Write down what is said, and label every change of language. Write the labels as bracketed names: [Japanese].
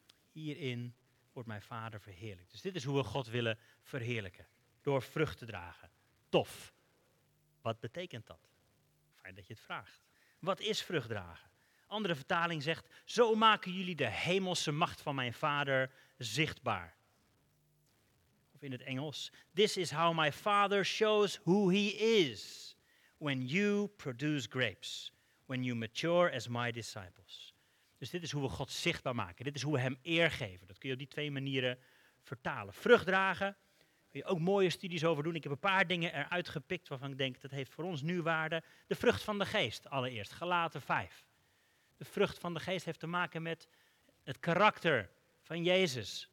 [Dutch] Hierin wordt mijn Vader verheerlijkt. Dus dit is hoe we God willen verheerlijken. Door vrucht te dragen. Tof. Wat betekent dat? Fijn dat je het vraagt. Wat is vrucht dragen? Andere vertaling zegt, zo maken jullie de hemelse macht van mijn Vader zichtbaar. In het Engels. [English] This is how my father shows who he is. When you produce grapes. When you mature as my disciples. [Dutch] Dus dit is hoe we God zichtbaar maken. Dit is hoe we hem eer geven. Dat kun je op die twee manieren vertalen. Vrucht dragen. Kun je ook mooie studies over doen. Ik heb een paar dingen eruit gepikt waarvan ik denk dat heeft voor ons nu waarde. De vrucht van de geest allereerst. Galaten 5. De vrucht van de geest heeft te maken met het karakter van Jezus.